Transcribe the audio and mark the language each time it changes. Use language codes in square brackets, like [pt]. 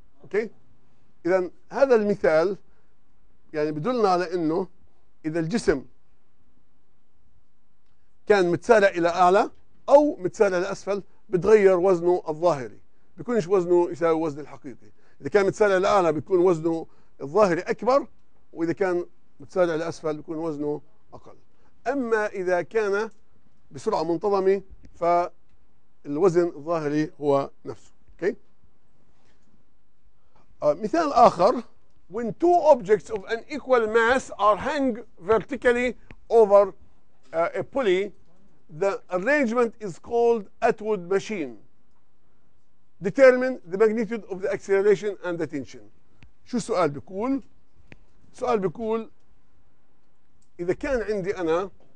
[ar] اوكي، اذا هذا المثال يعني بدلنا على انه اذا الجسم كان متسارع الى اعلى او متسارع لاسفل بتغير وزنه الظاهري، بيكونش وزنه يساوي وزنه الحقيقي. اذا كان متسارع لاعلى بيكون وزنه الظاهري اكبر، واذا كان متسارع لاسفل بيكون وزنه اقل. اما اذا كان بسرعه منتظمه فالوزن الظاهري هو نفسه. اوكي، مثال اخر: [en] when two objects of an equal mass are hung vertically over a pulley, the arrangement is called Atwood machine. Determine the magnitude of the acceleration and the tension. [ar] شو السؤال بيقول؟ السؤال بيقول إذا كان عندي أنا،